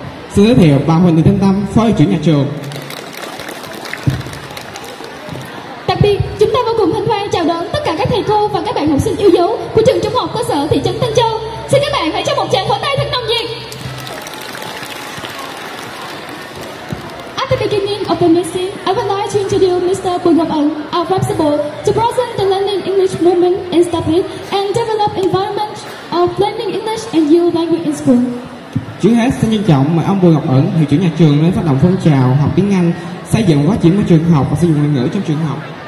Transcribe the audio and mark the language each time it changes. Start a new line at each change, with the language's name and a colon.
Vietnamese: Xin giới thiệu bà Huỳnh Thị Thanh Tâm, phó hiệu trưởng nhà trường. Đặc biệt, chúng ta vô cùng hân hoan chào đón tất cả các thầy cô và các bạn học sinh yêu dấu của trường trung học cơ sở thị trấn Tân Châu. Xin các bạn hãy cho một tràng pháo tay thật nồng nhiệt.
English: At the beginning of the meeting, I would like to introduce Mr. Bùi Ngọc Ẩn, our principal, to present the learning English movement and establish and develop environment of learning English and your language in school.
Vietnamese: Trước hết, xin trân trọng mời ông Bùi Ngọc Ẩn, hiệu trưởng nhà trường lên phát động phong trào học tiếng Anh, xây dựng quá trình của trường học và sử dụng ngoại ngữ trong trường học.